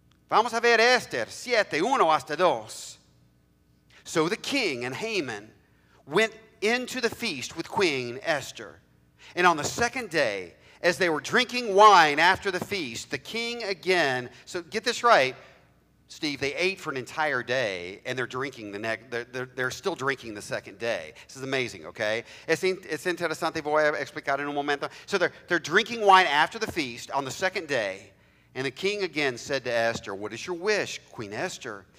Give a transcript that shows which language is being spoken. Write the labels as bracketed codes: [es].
[es] Vamos a ver Esther 7, 1 hasta 2. [en] So the king and Haman went into the feast with Queen Esther. And on the second day, as they were drinking wine after the feast, the king again, so get this right, Steve, they ate for an entire day and they're drinking they're still drinking the second day. This is amazing, okay? [es] Es interesante, voy a explicar en un momento. [en] So they're drinking wine after the feast on the second day. And the king again said to Esther, "What is your wish, Queen Esther?